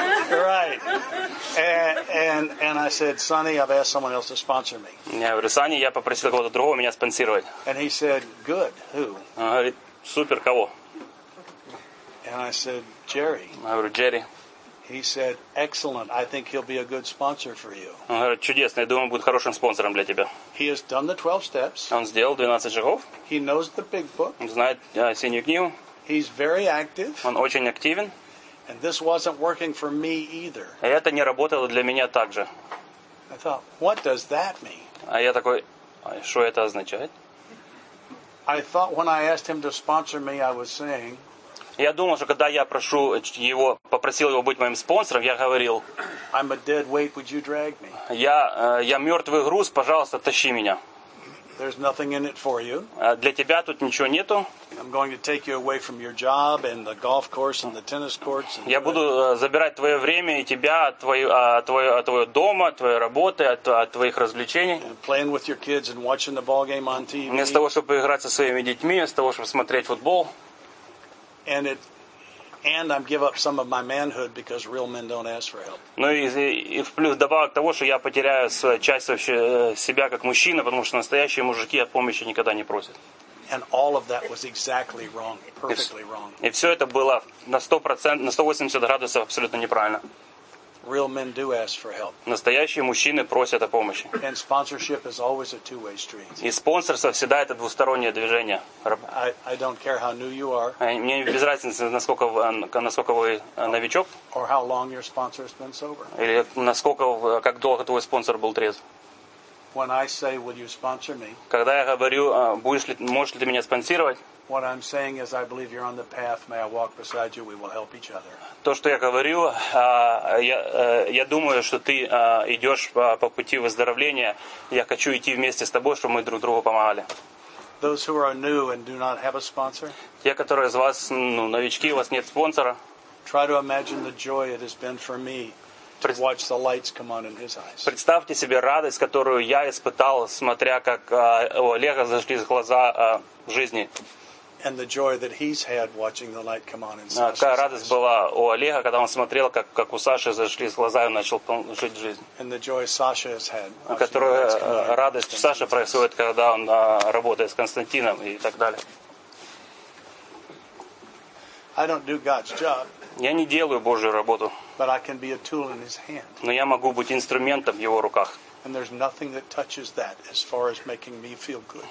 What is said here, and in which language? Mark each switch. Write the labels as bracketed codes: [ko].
[en] Right. And I said, "Sonny, I've asked someone else to sponsor me." [ru] Я говорю, Сани, я попросил кого-то другого меня спонсировать. [en] And he said, "Good, who?" [ru] Он говорит, супер, кого? [en] And I said, "Jerry." [ru] Я говорю, Джерри. [en] He said, "Excellent. I think he'll be a good sponsor for you." [ru] Он говорит, чудесно, я думаю, будет хорошим спонсором для тебя. [en] He has done the 12 steps. [ru] Он сделал 12 шагов. [en] He knows the big book. [ru] Он знает синюю книгу. [en] He's very active. [ru] Он очень активен. [en] And this wasn't working for me either. [ru] А это не работало для меня также. [en] I thought, "What does that mean?" [ru] А я такой, что это означает? [en] I thought when I asked him to sponsor me, I was saying. [ru] Я думал, что когда я прошу его, попросил его быть моим спонсором, я говорил: [en] I'm a dead weight, would you drag me? [ru] Я мертвый груз, пожалуйста, тащи меня. [en] There's nothing in it for you. [ru] Для тебя тут ничего нету. [en] I'm going to take you away from your job and the golf course and the tennis courts. [ru] Я буду забирать твое время и тебя от твоего дома, от твоей работы, от твоих развлечений. [en] Playing with your kids and watching the ball game on TV. [ru] Вместо того, чтобы играть со своими детьми, вместо того, чтобы смотреть футбол. [en] And I'm give up some of my manhood because real men don't ask for help. [ru] Ну и в плюс добавок того, что я потеряю часть вообще себя как мужчина, потому что настоящие мужики о помощи никогда не просят. [en] And all of that was exactly wrong, perfectly wrong. [ru] И все это было на 100%, на 180 градусов абсолютно неправильно. [en] Real men do ask for help. [ru] Настоящие мужчины просят о помощи. [en] And sponsorship is always a two-way street. [ru] И спонсорство всегда это двустороннее движение. [en] I don't care how new you are. [ru] Мне без разницы, насколько вы новичок. [en] Or how long your sponsor has been sober. [ru] Или насколько, как долго твой спонсор был трезв. [en] When I say, will you sponsor me? [ru] Когда я говорю, можешь ли ты меня спонсировать? [en] What I'm saying is, I believe you're on the path. May I walk beside you? We will help each other. [ru] То, что я говорю, я думаю, что ты идешь по пути выздоровления. Я хочу идти вместе с тобой, чтобы мы друг другу помогали. [en] Those who are new and do not have a sponsor. [ru] Те, которые из вас новички, у вас нет спонсора. [en] Try to imagine the joy it has been for me to watch the lights come on in his eyes. [ru] Представьте себе радость, которую я испытал, смотря как у Олега зажгли глаза жизни. [en] And the joy that he's had watching the light come on in Sasha's eyes. [ru] Какая радость была у Олега, когда он смотрел, как у Саши зашли глаза и начал жить жизнь. [en] And the joy Sasha has had. [ru] Которую радость у Саши происходит, когда он работает с Константином и так далее. [en] I don't do God's job. [ru] Я не делаю Божью работу. [en] But I can be a tool in His hand. [ru] Но я могу быть инструментом в Его руках. [en] And there's nothing that touches that as far as making me feel good.